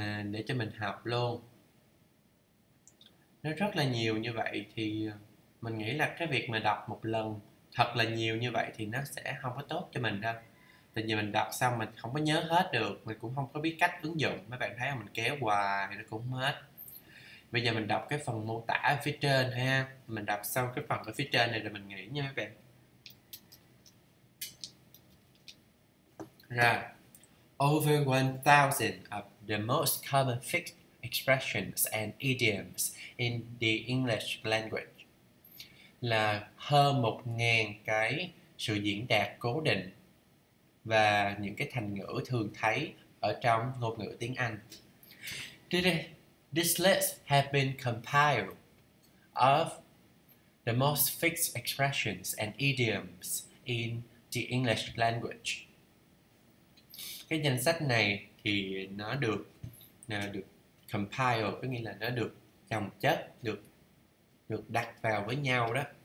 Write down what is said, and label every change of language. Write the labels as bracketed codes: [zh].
[vi] Để cho mình học luôn. Nó rất là nhiều như vậy thì mình nghĩ là cái việc mà đọc một lần thật là nhiều như vậy thì nó sẽ không có tốt cho mình đâu. Tại vì mình đọc xong mình không có nhớ hết được, mình cũng không có biết cách ứng dụng. Mấy bạn thấy không? Mình kéo hoài nó cũng hết. Bây giờ mình đọc cái phần mô tả ở phía trên ha. Mình đọc xong cái phần ở phía trên này rồi mình nghĩ nha mấy bạn. Rồi. [en] Over 1,000 of the most common fixed expressions and idioms in the English language. [vi] Là hơn 1,000 cái sự diễn đạt cố định và những cái thành ngữ thường thấy ở trong ngôn ngữ tiếng Anh. [en] This list has been compiled of the most fixed expressions and idioms in the English language. [vi] Cái danh sách này thì nó được compile, có nghĩa là nó được chồng chất, được đặt vào với nhau đó.